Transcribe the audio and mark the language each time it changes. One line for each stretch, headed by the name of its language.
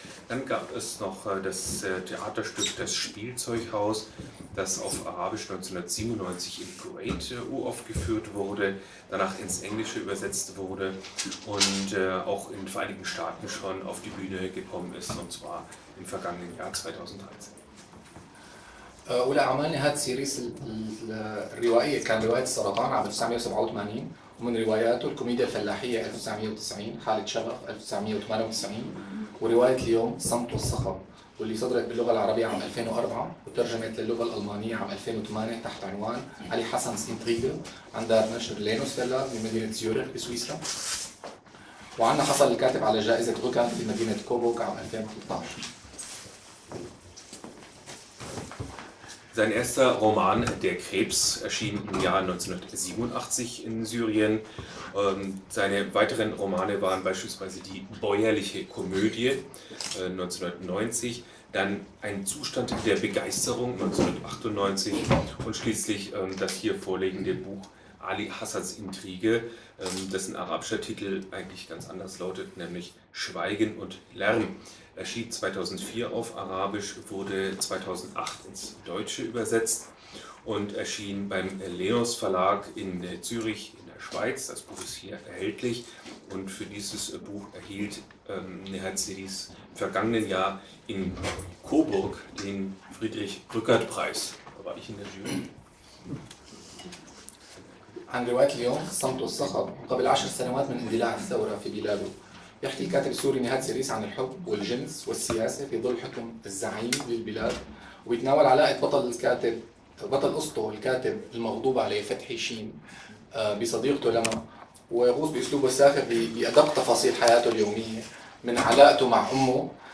German: Dann gab es noch das Theaterstück Das Spielzeughaus, das auf Arabisch 1997 in Kuwait uraufgeführt wurde, danach ins Englische übersetzt wurde und auch in den Vereinigten Staaten schon auf die Bühne gekommen ist, und zwar im vergangenen Jahr 2013.
Arabic: أولى أعمال نهاد سيريس الروائية كان رواية السرطان عام 1987 ومن رواياته الكوميديا الفلاحية 1990 حالة شغف 1998 ورواية اليوم صمت والصخب واللي صدرت باللغة العربية عام 2004 وترجمت للغة الألمانية عام 2008 تحت عنوان علي حسن سينتريغل عن دار نشر لينوس فيلر من مدينة زيورخ بسويسرا وعنا حصل الكاتب على جائزة غوكا في مدينة كوبوك عام 2013.
German: Sein erster Roman, Der Krebs, erschien im Jahr 1987 in Syrien. Seine weiteren Romane waren beispielsweise die Bäuerliche Komödie 1990, dann Ein Zustand der Begeisterung 1998 und schließlich das hier vorliegende Buch Ali Hassans Intrige, dessen arabischer Titel eigentlich ganz anders lautet, nämlich Schweigen und Lärm. Erschien 2004 auf Arabisch, wurde 2008 ins Deutsche übersetzt und erschien beim Leos Verlag in Zürich in der Schweiz. Das Buch ist hier erhältlich und für dieses Buch erhielt Nihat Sidis im vergangenen Jahr in Coburg den Friedrich-Rückert-Preis. Da war ich in der Jury.
Arabic: عن رواية اليوم صمت والصخب قبل 10 سنوات من اندلاع الثورة في بلاده. يحكي الكاتب السوري نهاد سيريس عن الحب والجنس والسياسة في ظل حكم الزعيم للبلاد، ويتناول علاقة بطل قصته الكاتب المغضوب عليه فتحي شين بصديقته لما، ويغوص بأسلوبه الساخر بأدق تفاصيل حياته اليومية من علاقته مع أمه